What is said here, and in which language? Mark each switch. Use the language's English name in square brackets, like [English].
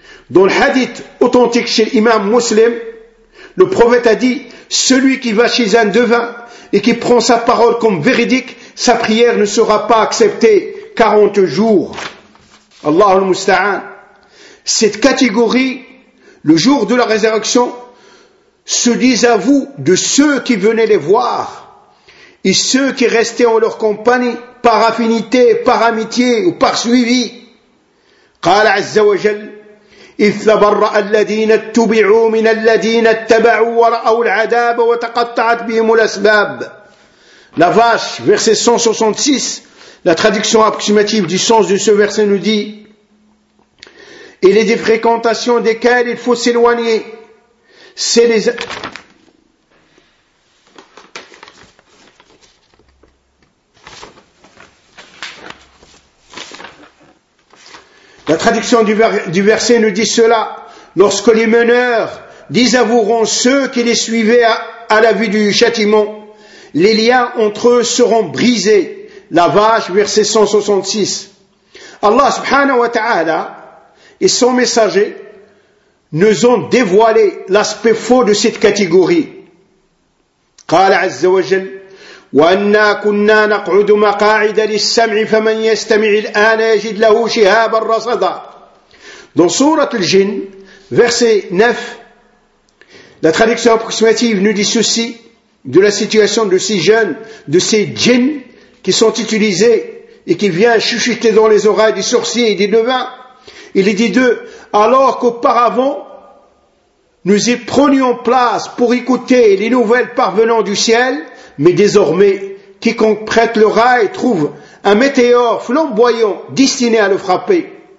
[French] Dans le hadith authentique chez l'imam Muslim, le prophète a dit, celui qui va chez un devin et qui prend sa parole comme véridique, sa prière ne sera pas acceptée 40 jours. Allah al-Musta'an. Cette catégorie, le jour de la résurrection, se disent à vous de ceux qui venaient les voir et ceux qui restaient en leur compagnie par affinité, par amitié ou par suivi. [Arabic] قال عز وجل إذ تبرأ الذين اتبعوا من الذين اتبعوا ورأوا العذاب وتقطعت بهم الأسباب. [French] La vache, verset 166, la traduction approximative du sens de ce verset nous dit il est des fréquentations desquelles il faut s'éloigner. La La traduction du verset nous dit cela. Lorsque les meneurs désavoueront ceux qui les suivaient à la vue du châtiment, les liens entre eux seront brisés. La vache, verset 166. Allah subhanahu wa ta'ala et son messager nous ont dévoilé l'aspect faux de cette catégorie. [Arabic] قال عز وجل وأنا كنا نقعد مقاعد للسمع فمن يستمع الآن يجد له شهابا رصدا. [French] Dans sourate al-Jin, verset 9, la traduction approximative nous dit ceci de la situation de ces jeunes, de ces djinns qui sont utilisés et qui viennent chuchoter dans les oreilles des sorciers et des devins. Il est dit d'eux, alors qu'auparavant, nous y prenions place pour écouter les nouvelles parvenant du ciel, mais désormais, quiconque prête l'oreille trouve un météore flamboyant destiné à le frapper.